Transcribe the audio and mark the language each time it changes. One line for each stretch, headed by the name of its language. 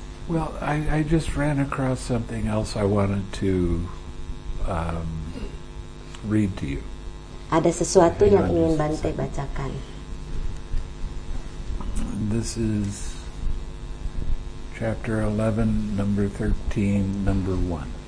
English: Well, I just ran across something else I wanted to read to you.
Indonesian: Ada sesuatu yang ingin Bante bacakan.
English: This is chapter 11, number 13, number 1.